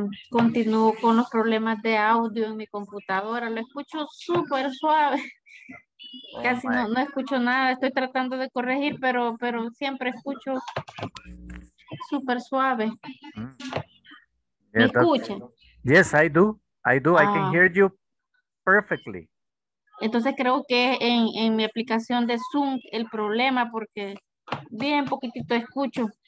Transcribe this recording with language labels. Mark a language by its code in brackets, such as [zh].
[es] Continúo con los problemas de audio en mi computadora. Lo escucho súper suave. Casi no escucho nada. Estoy tratando de corregir, pero siempre escucho súper suave. ¿Me escuchan? [en] Yes, I do. I can hear you perfectly. [es] Entonces creo que en mi aplicación de Zoom el problema porque bien poquitito escucho.